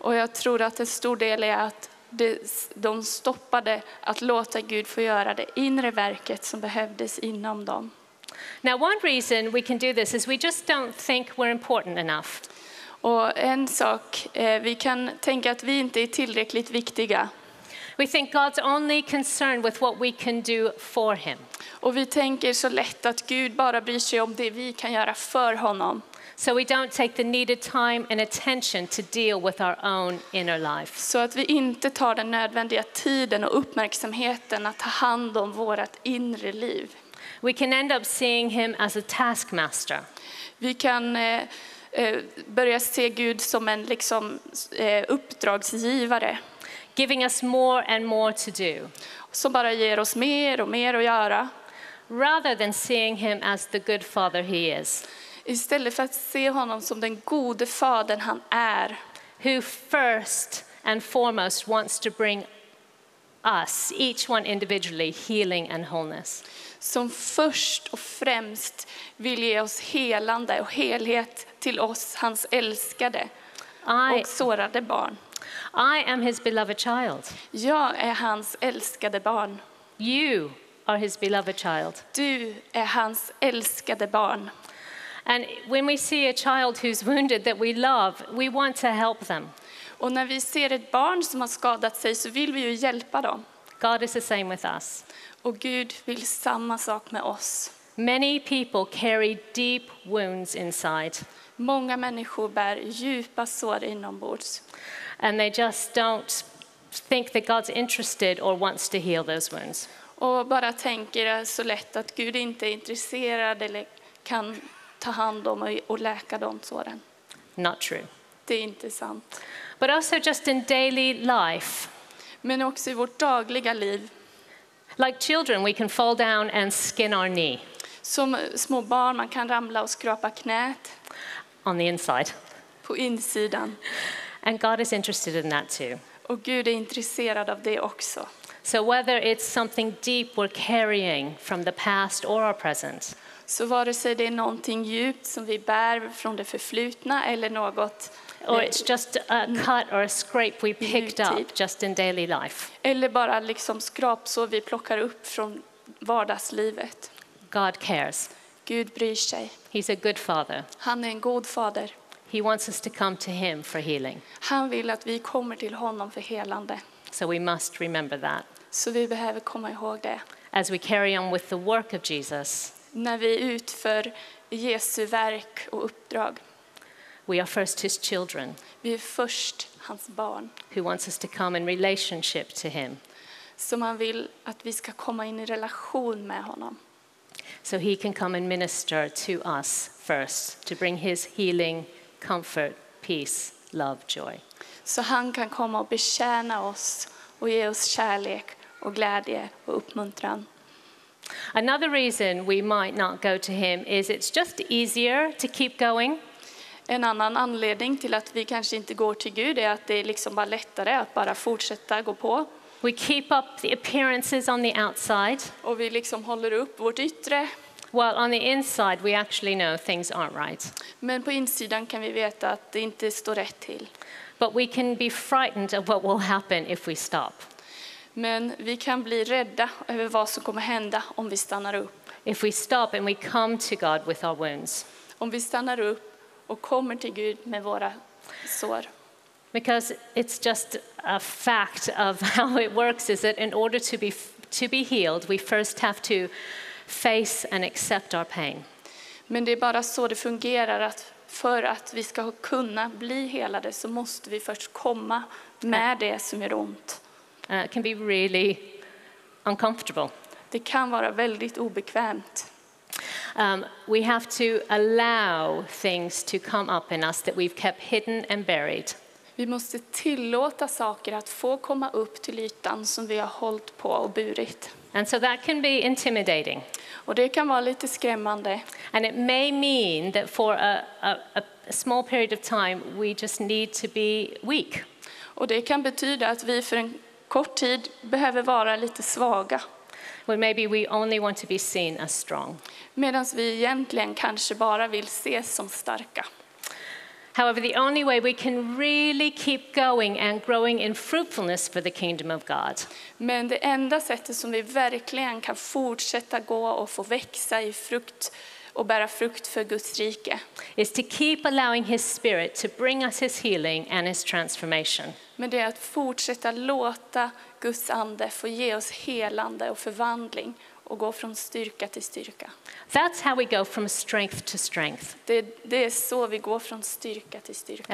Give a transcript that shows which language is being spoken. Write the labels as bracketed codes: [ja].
[sv] Och jag tror att en stor del är att de stoppade att låta Gud få göra det inre verket som behövdes inom dem. [en] Now one reason we can do this is we just don't think we're important enough. [sv] Och en sak, vi kan tänka att vi inte är tillräckligt viktiga. [en] We think God's only concerned with what we can do for him. [sv] Och vi tänker så lätt att Gud bara bryr sig om det vi kan göra för honom. [en] So we don't take the needed time and attention to deal with our own inner life. [sv] Så att vi inte tar den nödvändiga tiden och uppmärksamheten att ta hand om vårt inre liv. [en] We can end up seeing him as a taskmaster. [sv] Vi kan börja se Gud som en liksom uppdragsgivare. [en] Giving us more and more to do. [sv] Som bara ger oss mer och mer att göra. [en] Rather than seeing him as the good father he is. [sv] Istället för att se honom som den gode fadern han är. [en] Who first and foremost wants to bring us, each one individually, healing and wholeness. [sv] Som först och främst vill ge oss helande och helhet till oss, hans älskade och sårade barn. [en] I am his beloved child. [sv] Jag är hans älskade barn. [en] You are his beloved child. [sv] Du är hans älskade barn. [en] And when we see a child who's wounded that we love, we want to help them. [sv] Och när vi ser ett barn som har skadat sig så vill vi ju hjälpa dem. [en] God is the same with us. [sv] Och Gud vill samma sak med oss. [en] Many people carry deep wounds inside. [sv] Många människor bär djupa sår inombords. [en] And they just don't think that God's interested or wants to heal those wounds. [sv] Och bara tänker så lätt att Gud inte är intresserad eller kan ta hand om och läka de såren. [en] Not true. [sv] Det är inte sant. [en] But also just in daily life. [sv] Men också i vårt dagliga liv. [en] Like children, we can fall down and skin our knee. [sv] Som små barn, man kan ramla och skrapa knät. [en] On the inside. [sv] På insidan. [en] And God is interested in that too. [sv] Och Gud är intresserad av det också. [en] So whether it's something deep we're carrying from the past or our present. [sv] Så vare sig det är någonting djupt som vi bär från det förflutna eller något. [en] Or it's just a cut or a scrape we picked up just in daily life. [sv] Eller bara liksom skrap så vi plockar upp från vardagslivet. [en] God cares. [sv] Gud bryr sig. [en] He's a good father. [sv] Han är en god fader. [en] He wants us to come to him for healing. [sv] Han vill att vi kommer till honom för helande. [en] So we must remember that. [sv] Så vi behöver komma ihåg det. [en] As we carry on with the work of Jesus. [sv] När vi utför Jesu verk och uppdrag. [en] We are first his children. [sv] Vi är först hans barn. [en] Who wants us to come in relationship to him. [sv] Som han vill att vi ska komma in i relation med honom. [en] So he can come and minister to us first to bring his healing, comfort, peace, love, joy. [sv] Så han kan komma och betjäna oss och ge oss kärlek och glädje och uppmuntran. [en] Another reason we might not go to him is it's just easier to keep going. [sv] En annan anledning till att vi kanske inte går till Gud är att det är liksom bara lättare att bara fortsätta gå på. [en] We keep up the appearances on the outside. [sv] Och vi liksom håller upp vårt yttre. [en] Well, on the inside we actually know things aren't right. [sv] Men på insidan kan vi veta att det inte står rätt till. [en] But we can be frightened of what will happen if we stop. [sv] Men vi kan bli rädda över vad som kommer hända om vi stannar upp. [en] If we stop and we come to God with our wounds. [sv] Om vi stannar upp och kommer till Gud med våra sår. [en] Because it's just a fact of how it works is that in order to be healed we first have to face and accept our pain. [sv] Men det är bara så det fungerar att för att vi ska kunna bli helade så måste vi först komma med det som gör ont. [en] It can be really uncomfortable. [sv] Det kan vara väldigt obekvämt. [en] We have to allow things to come up in us that we've kept hidden and buried. [sv] Vi måste tillåta saker att få komma upp till ytan som vi har hållit på och burit. [en] And so that can be intimidating. [sv] Och det kan vara lite skrämmande. [en] And it may mean that for a small period of time, we just need to be weak. [sv] Och det kan betyda att vi för en kort tid behöver vara lite svaga. [en] Well, maybe we only want to be seen as strong. [sv] Medan vi egentligen kanske bara vill ses som starka. [en] However, the only way we can really keep going and growing in fruitfulness for the kingdom of God. [sv] Men det enda sättet som vi verkligen kan fortsätta gå och få växa i frukt och bära frukt för Guds rike [en] is to keep allowing his spirit to bring us his healing and his transformation. [sv] Men det är att fortsätta låta Guds ande få ge oss helande och förvandling och gå från styrka till styrka. [en] That's how we go from strength to strength. [sv] Det är så vi går från styrka till styrka.